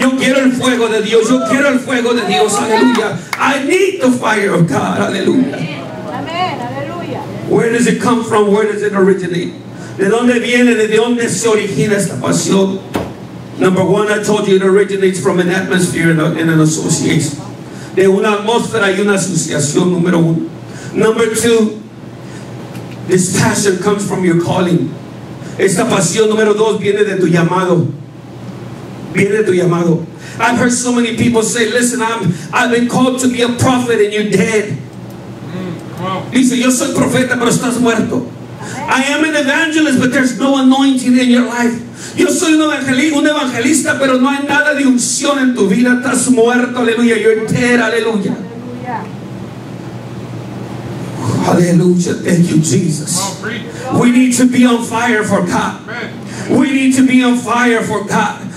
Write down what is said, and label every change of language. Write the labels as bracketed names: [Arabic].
[Spanish] Yo quiero el fuego de Dios. Yo quiero el fuego de Dios. Hallelujah. [English] I need the fire of God. Hallelujah. Where does it come from? Where does it originate? [Spanish] ¿De dónde viene? ¿De dónde se origina esta pasión? [English] Number one, I told you it originates from an atmosphere and an association. [Spanish] De una atmósfera y una asociación, número uno. [English] Number two, this passion comes from your calling. [Spanish] Esta pasión, número dos, viene de tu llamado. Viene de tu llamado. [English] I've heard so many people say, listen, I've been called to be a prophet and you're dead. [Spanish] Dice, yo soy profeta, pero estás muerto. [English] I am an evangelist, but there's no anointing in your life. [Spanish] Yo soy un evangelista, pero no hay nada de unción en tu vida. Estás muerto, aleluya. [English] You're dead, [Spanish] aleluya. [English] Aleluya, thank you, Jesus. We need to be on fire for God. We need to be on fire for God.